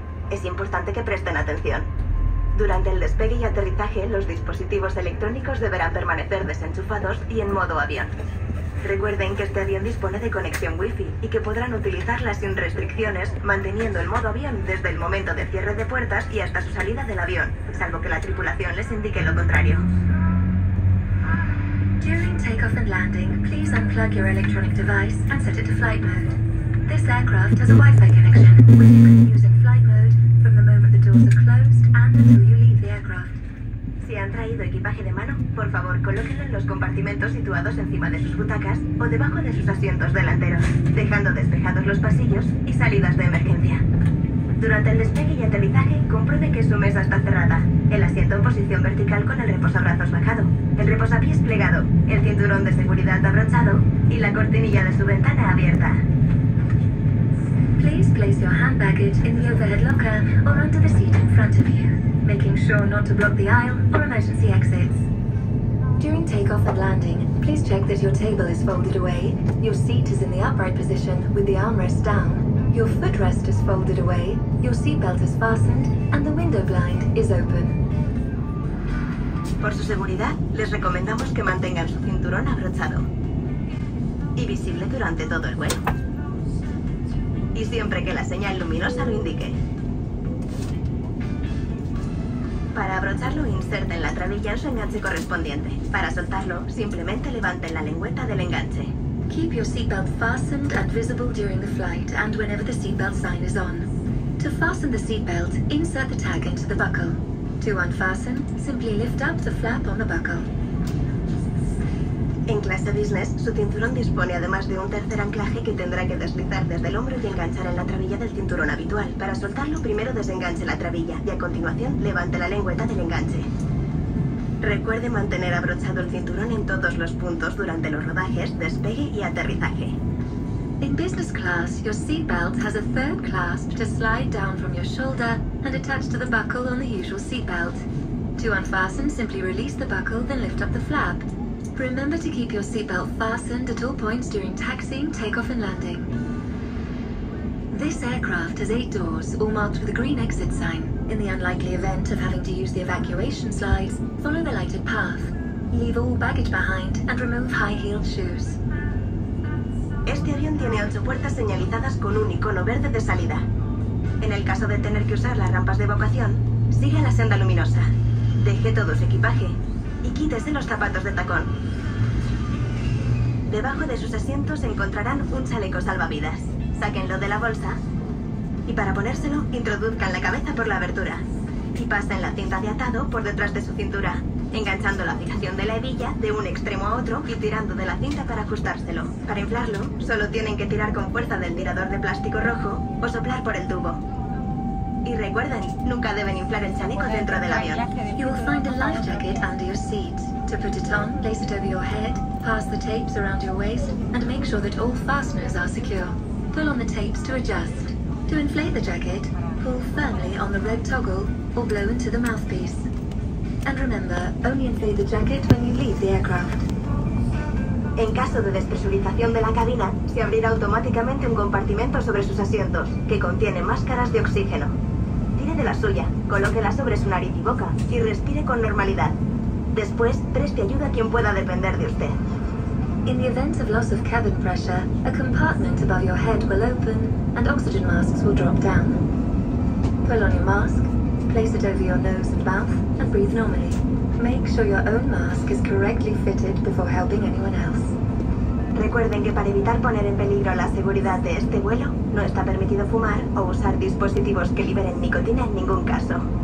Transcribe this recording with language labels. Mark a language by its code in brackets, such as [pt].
[es] Es importante que presten atención. Durante el despegue y aterrizaje, los dispositivos electrónicos deberán permanecer desenchufados y en modo avión. Recuerden que este avión dispone de conexión Wi-Fi y que podrán utilizarla sin restricciones, manteniendo el modo avión desde el momento de cierre de puertas y hasta su salida del avión, salvo que la tripulación les indique lo contrario. [en] During takeoff and landing, please unplug your electronic device and set it to flight mode. This aircraft has a Wi-Fi connection, which you can use in flight mode from the moment the doors are closed and until you leave the aircraft. [es] Si han traído equipaje de mano, por favor colóquenlo en los compartimentos situados encima de sus butacas o debajo de sus asientos delanteros, dejando despejados los pasillos y salidas de emergencia. Durante el despegue y aterrizaje, compruebe que su mesa está cerrada, el asiento en posición vertical con el reposabrazos bajado, el reposapiés plegado, el cinturón de seguridad abrochado y la cortinilla de su ventana abierta. [en] Please place your hand baggage in the overhead locker or under the seat in front of you, making sure not to block the aisle or emergency exits. During takeoff and landing, please check that your table is folded away, your seat is in the upright position with the armrest down, your footrest is folded away, your seatbelt is fastened, and the window blind is open. [es] Por su seguridad, les recomendamos que mantengan su cinturón abrochado y visible durante todo el vuelo. Y siempre que la señal luminosa lo indique. Para abrocharlo, inserten la trabilla en su enganche correspondiente. Para soltarlo, simplemente levanten la lengüeta del enganche. [en] Keep your seatbelt fastened and visible during the flight and whenever the seatbelt sign is on. To fasten the seatbelt, insert the tag into the buckle. To unfasten, simply lift up the flap on the buckle. [es] En clase business, su cinturón dispone además de un tercer anclaje que tendrá que deslizar desde el hombro y enganchar en la trabilla del cinturón habitual. Para soltarlo, primero desenganche la trabilla y a continuación levante la lengüeta del enganche. Recuerde mantener abrochado el cinturón en todos los puntos durante los rodajes, despegue y aterrizaje. [en] In business class, your seatbelt has a third clasp to slide down from your shoulder and attach to the buckle on the usual seatbelt. To unfasten, simply release the buckle, then lift up the flap. Remember to keep your seatbelt fastened at all points during taxiing, takeoff and landing. This aircraft has 8 doors, all marked with a green exit sign. In the unlikely event of having to use the evacuation slides, follow the lighted path. Leave all baggage behind and remove high-heeled shoes. [es] Este avión tiene 8 puertas señalizadas con un icono verde de salida. En el caso de tener que usar las rampas de evacuación, siga la senda luminosa. Deje todo su equipaje y quítese los zapatos de tacón. Debajo de sus asientos encontrarán un chaleco salvavidas. Sáquenlo de la bolsa y para ponérselo, introduzcan la cabeza por la abertura y pasen la cinta de atado por detrás de su cintura, enganchando la fijación de la hebilla de un extremo a otro y tirando de la cinta para ajustárselo. Para inflarlo, solo tienen que tirar con fuerza del tirador de plástico rojo o soplar por el tubo. Y recuerden, nunca deben inflar el chaleco dentro del avión. [en] You will find a life jacket under your seat. To put it on, place it over your head, pass the tapes around your waist and make sure that all fasteners are secure. Pull on the tapes to adjust. To inflate the jacket, pull firmly on the red toggle or blow into the mouthpiece. And remember, only inflate the jacket when you leave the aircraft. [es] En caso de despresurización de la cabina, se abrirá automáticamente un compartimento sobre sus asientos, que contiene máscaras de oxígeno. retire de la suya, colóquela sobre su nariz y boca y respire con normalidad. Después, preste ayuda a quien pueda depender de usted. [en] In the event of loss of cabin pressure, a compartment above your head will open and oxygen masks will drop down. Pull on your mask, place it over your nose and mouth, and breathe normally. Make sure your own mask is correctly fitted before helping anyone else. [es] Recuerden que para evitar poner en peligro la seguridad de este vuelo, no está permitido fumar o usar dispositivos que liberen nicotina en ningún caso.